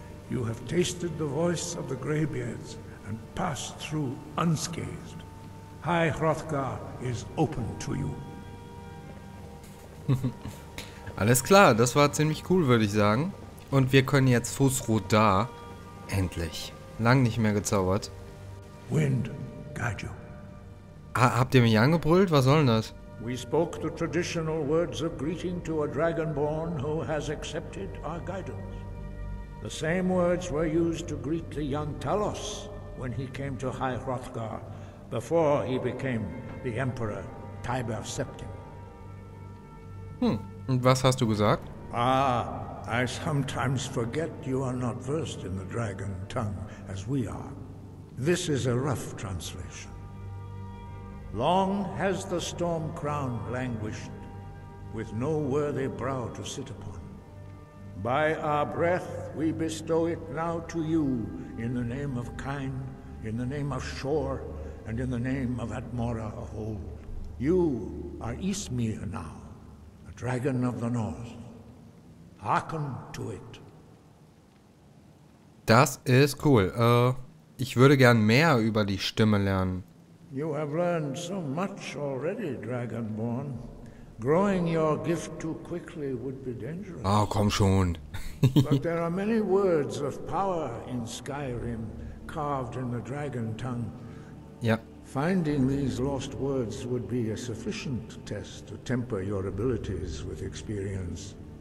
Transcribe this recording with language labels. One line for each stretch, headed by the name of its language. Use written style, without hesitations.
English: You have tasted the voice of the Greybeards and passed through unscathed. High Hrothgar is open to you.
German: Alles klar, das war ziemlich cool, würde ich sagen. Und wir können jetzt Fußrot da. Endlich. Lang nicht mehr gezaubert.
English: Wind, guide you.
German: Habt ihr mich angebrüllt? Was soll denn das?
English: We spoke the traditional words of greeting to a dragonborn who has accepted our guidance. The same words were used to greet the young Talos when he came to High Hrothgar, before he became the Emperor Tiber Septim.
German: Und was hast du gesagt?
English: Ah, I sometimes forget you are not versed in the dragon tongue as we are. This is a rough translation. Long has the storm crown languished, with no worthy brow to sit upon. By our breath we bestow it now to you, in the name of Kain, in the name of Shor, and in the name of Atmora of old. You are Ismir now, a dragon of the north. Hearken to it.
German: Das ist cool. Ich würde gern mehr über die Stimme lernen.
English: You have learned so much already, Dragonborn. Growing your gift too quickly would be dangerous.
German: Ah, komm schon.
English: But there are many words of power in Skyrim, carved in the dragon tongue.
German: Ja.
English: Finding these lost words would be a sufficient test to temper your abilities with experience.